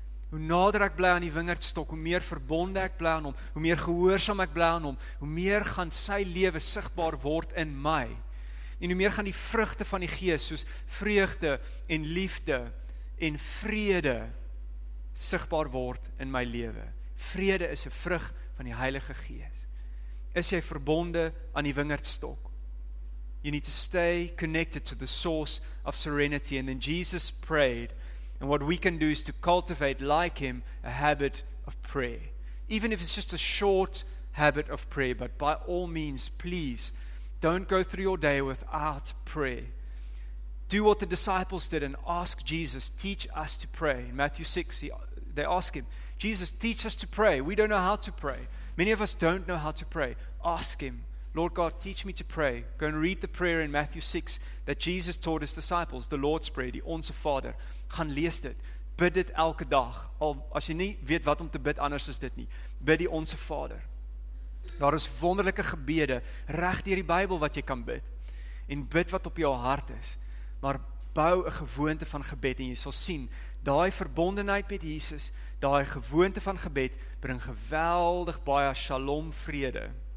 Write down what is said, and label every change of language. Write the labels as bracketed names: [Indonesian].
[Afrikaans] Hoe nader ek bly aan die wingerdstok, hoe meer verbonde ek bly aan hom, hoe meer gehoorsaam ek bly aan hom, hoe meer gaan sy lewe sigbaar word in my. En hoe meer gaan die vrugte van die gees, soos vreugde en liefde en vrede, sigbaar word in my lewe. Vrede is 'n vrug van die Heilige Gees. Is jy verbonde aan die wingerdstok? [English] You need to stay connected to the source of serenity. And then Jesus prayed. And what we can do is to cultivate, like him, a habit of prayer. Even if it's just a short habit of prayer, but by all means, please, don't go through your day without prayer. Do what the disciples did and ask Jesus, teach us to pray. In Matthew 6, they ask him, Jesus, teach us to pray. We don't know how to pray. Many of us don't know how to pray. Ask him, Lord God, teach me to pray. Go and read the prayer in Matthew 6 that Jesus taught his disciples, the Lord's Prayer, die Onse Vader. [Afrikaans] Gaan lees dit. Bid dit elke dag. Al as jy nie weet wat om te bid anders as dit nie. Bid die Onse Vader. Daar is wonderlike gebede, reg deur die Bybel wat jy kan bid. En bid wat op jou hart is. Maar bou 'n gewoonte van gebed en jy sal sien, daai verbondenheid met Jesus, daai gewoonte van gebed, bring geweldig baie shalom vrede.